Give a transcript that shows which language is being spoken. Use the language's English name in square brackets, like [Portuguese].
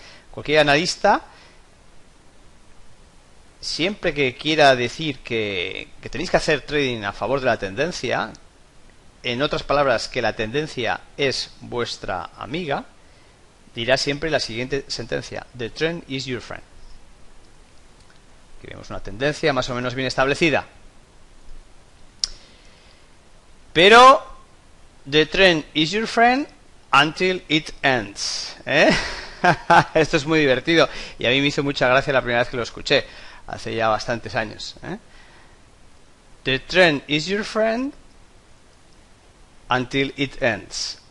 [Spanish] Cualquier analista, siempre que quiera decir que tenéis que hacer trading a favor de la tendencia, en otras palabras, que la tendencia es vuestra amiga, dirá siempre la siguiente sentencia: [English] The trend is your friend. [Spanish] Tenemos una tendencia más o menos bien establecida. [English] Pero the trend is your friend until it ends. [Spanish] Esto es muy divertido y a mí me hizo mucha gracia la primera vez que lo escuché, hace ya bastantes años. [English] The trend is your friend until it ends.